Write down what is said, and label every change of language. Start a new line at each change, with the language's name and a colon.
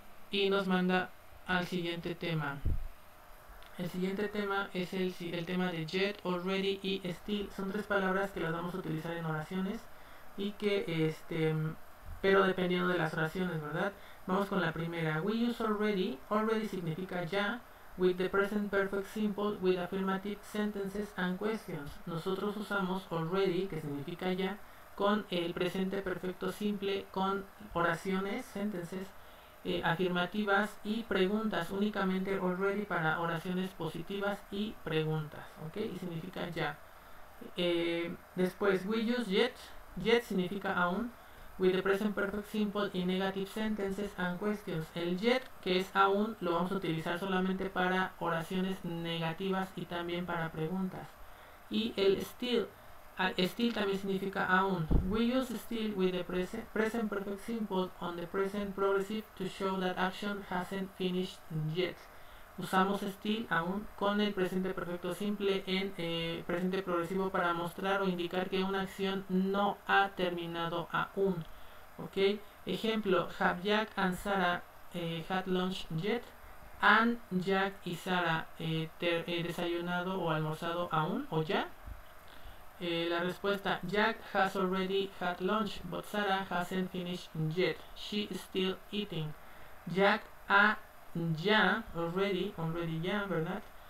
Spanish: Y nos manda al siguiente tema. El siguiente tema es el tema de yet, already y still. Son tres palabras que las vamos a utilizar en oraciones y que, pero dependiendo de las oraciones, ¿verdad? Vamos con la primera.
English: We use already.
Spanish: Already significa ya.
English: With the present perfect simple, with affirmative sentences and questions.
Spanish: Nosotros usamos already, que significa ya, con el presente perfecto simple, con oraciones, sentences, afirmativas y preguntas. Únicamente already para oraciones positivas y preguntas. ¿Ok? Y significa ya. Después,
English: we use yet.
Spanish: Yet significa aún.
English: With the present perfect simple y negative sentences and questions.
Spanish: El yet, que es aún, lo vamos a utilizar solamente para oraciones negativas y también para preguntas. Y el still también significa aún.
English: We use still with the present perfect simple on the present progressive to show that action hasn't finished yet.
Spanish: Usamos still aún con el presente perfecto simple en presente progresivo para mostrar o indicar que una acción no ha terminado aún.
English: Okay. Ejemplo, have Jack and Sarah had lunch yet?
Spanish: ¿Han Jack y Sarah desayunado o almorzado aún o ya? La respuesta,
English: Jack has already had lunch, but Sarah hasn't finished yet. She is still eating.
Spanish: Jack ha ya, already ya, ¿verdad?